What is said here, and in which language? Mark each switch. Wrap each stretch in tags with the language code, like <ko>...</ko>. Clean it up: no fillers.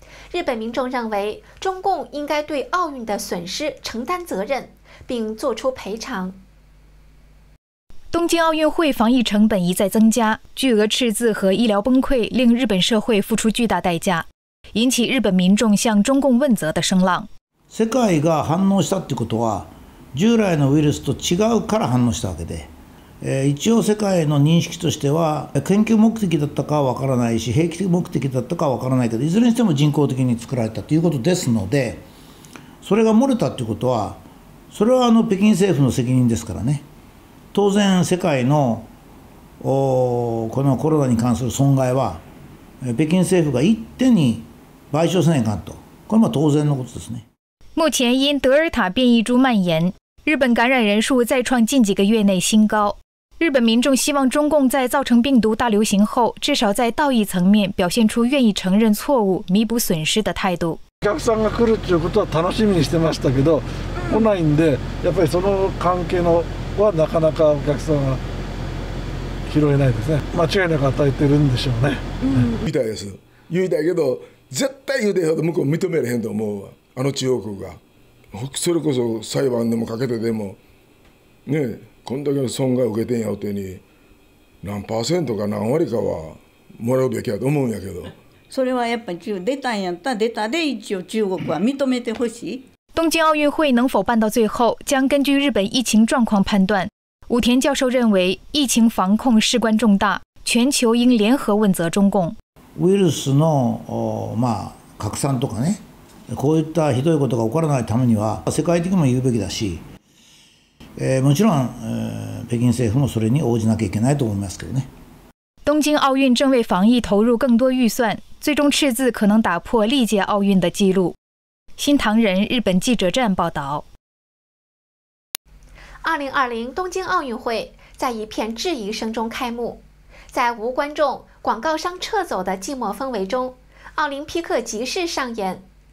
<zh>日本民众认为，中共应该对奥运的损失承担责任，并作出赔偿。东京奥运会防疫成本一再增加，巨额赤字和医疗崩溃令日本社会付出巨大代价，引起日本民众向中共问责的声浪。</zh> <ja>世界が反応したってことは、従来のウイルスと違うから反応したわけで。一応世界の認識としては研究目的だったかわからないし兵器目的だったかわからないけどいずれにしても人工的に作られたということですのでそれが漏れたということはそれは北京政府の責任ですからね当然世界のこのコロナに関する損害は北京政府が一手に賠償せないかんとこれは当然のことですね</ja> <zh>目前因德尔塔变异株蔓延日本感染人数再创近几个月内新高。日本民众希望中共在造成病毒大流行后，至少在道义层面表现出愿意承认错误、弥补损失的态度。</zh> <ja>お客さんが来るということは楽しみにしてましたけど、来ないんで、やっぱりその関係のはなかなかお客さんは拾えないですね。間違いなく与えてるんでしょうね。言いたいです。言いたいけど、絶対言うてへんと向こう認めれへんと思うわ。あの中国が。それこそ裁判でもかけてでも、ね、こんだけの損害を受けてんやお手に、何パーセントか何割かはもらうべきやと思うんやけど。それはやっぱり出たんやったら出たで一応中国は認めてほしい。</ja> <zh>東京奥運会能否办到最后、将根据日本疫情状况判断。武田教授认为、疫情防控事关重大、全球应联合问责中共。</zh> <ja>ウイルスの、拡散とかね。こういったひどいことが起こらないためには世界的にも言うべきだし、もちろん、北京政府もそれに応じなきゃいけないと思いますけどね。</ja> <zh>東京奥運正为防疫投入更多预算、最终赤字可能打破历届奥运的记录。新唐人日本记者站报道。 2020东京奥运会在一片质疑声中开幕，在无观众、广告商撤走的寂寞氛围中，奥林匹克集市上演。</zh>